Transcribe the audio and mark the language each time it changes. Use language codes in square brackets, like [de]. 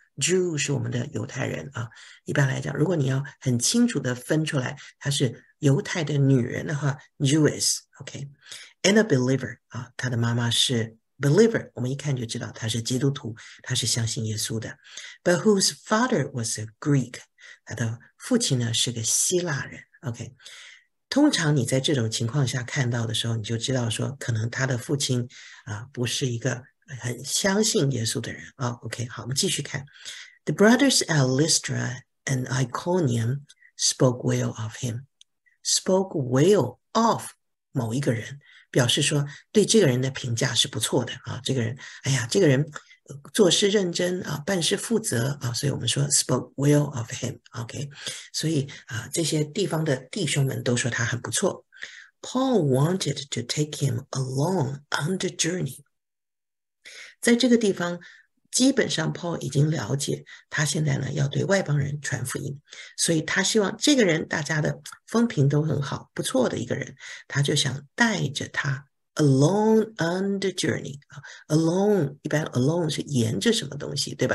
[zh] Jew 是我们的犹太人啊。一般来讲，如果你要很清楚的分出来她是犹太的女人的话，Jewess，OK， [en] and a believer [zh] 啊，她的妈妈是 believer，我们一看就知道她是基督徒，她是相信耶稣的。 [en] But whose father was a Greek？ [zh] 她的父亲呢是个希腊人，OK。通常你在这种情况下看到的时候，你就知道说，可能他的父亲啊不是一个很相信耶稣的人啊。 OK，好，我们继续看。 [en] The brothers at Lystra and Iconium spoke well of him. Spoke well of [zh] 某一个人，表示说对这个人的评价是不错的啊。这个人，哎呀，这个人做事认真啊，办事负责啊，所以我们说 [en] spoke well of him。 [zh] OK，所以啊，这些地方的弟兄们都说他很不错。 [en] Paul wanted to take him along on the journey。 [zh] 在这个地方，基本上 Paul 已经了解，他现在呢要对外邦人传福音，所以他希望这个人大家的风评都很好，不错的一个人，他就想带着他。 [en] Along on the journey [zh] 啊，along 一般 along 是沿着什么东西，对吧？